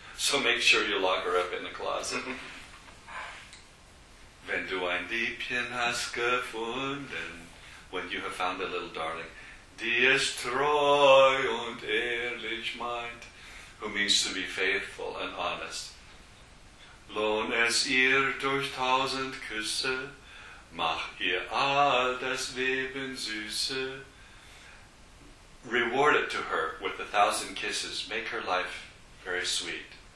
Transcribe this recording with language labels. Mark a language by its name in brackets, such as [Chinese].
[English] So make sure you lock her up in the closet. [German] Wenn du ein Liebchen hast gefunden, [English] when you have found a little darling, [German] die ist treu und ehrlich meint, [English] who means to be faithful and honest. [German] Lohn es ihr durch tausend Küsse, mach ihr all das Leben süße. [English] Reward it to her with 1,000 kisses, make her life very sweet.